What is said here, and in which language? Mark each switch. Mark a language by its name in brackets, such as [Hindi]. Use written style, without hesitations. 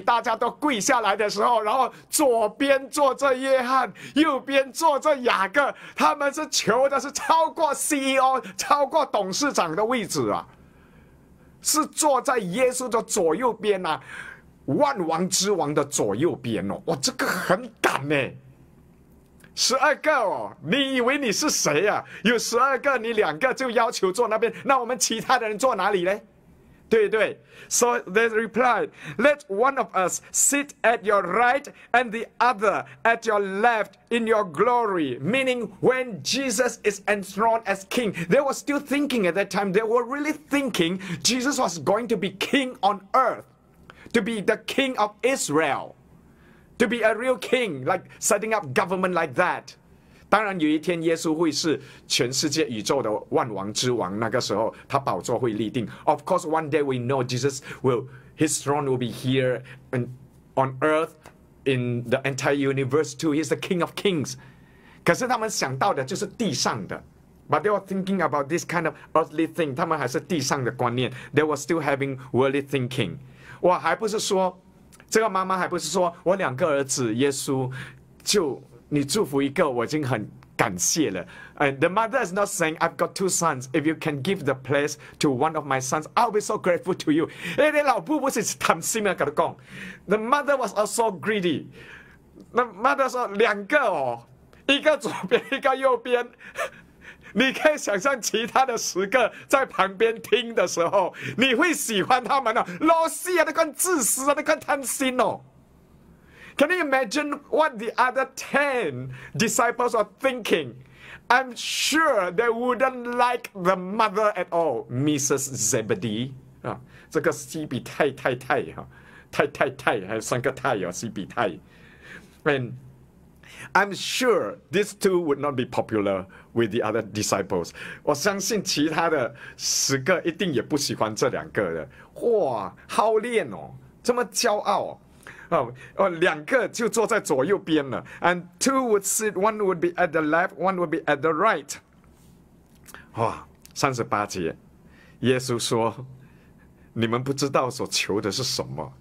[Chinese] 大家都跪下来的时候，然后左边坐着约翰，右边坐着雅各，他们是求的是超过 CEO、超过董事长的位置啊，是坐在耶稣的左右边啊。万王之王的左右边哦，哇，这个很敢呢。十二个哦，你以为你是谁啊？有十二个，你两个就要求坐那边，那我们其他的人坐哪里呢？对对。 [English] So they replied, "Let one of us sit at your right and the other at your left in your glory." Meaning, when Jesus is enthroned as king, they were still thinking at that time. They were really thinking Jesus was going to be king on earth. To be the king of Israel. To be a real king. Like setting up government like that. [Chinese] 当然有一天耶稣会是全世界宇宙的万王之王，那个时候他宝座会立定。 [English] Of course, one day we know Jesus will, his throne will be here and on earth in the entire universe too. He's the king of kings. [Chinese] 可是他们想到的就是地上的。 [English] But they were thinking about this kind of earthly thing. [Chinese] 他们还是地上的观念。 [English] They were still having worldly thinking. [Chinese] 我还不是说，这个妈妈还不是说我两个儿子，耶稣，就你祝福一个，我已经很感谢了。 [English] And the mother is not saying, "I've got two sons. If you can give the place to one of my sons, I'll be so grateful to you." [Chinese] 哎，你老婆不是贪心啊？跟你讲 ， [English] the mother was also greedy. The mother [Chinese] 说两个哦，一个左边，一个右边。你可以想象其他的十个在旁边听的时候，你会喜欢他们啊？老师啊，那个自私啊，那个贪心哦。 [English] Can you imagine what the other 10 disciples are thinking? I'm sure they wouldn't like the mother at all, Mrs. Zebedee. [Chinese] 啊，这个西比太太太哈，太太太，还有三个太哦，西比太。And [English] I'm sure these two would not be popular with the other disciples. [Chinese] 我相信其他的十个一定也不喜欢这两个的。哇，好练哦，这么骄傲哦。哦，两个就坐在左右边了。 [English] And two would sit, one would be at the left, one would be at the right. [Chinese] 哇，三十八节，耶稣说，你们不知道所求的是什么。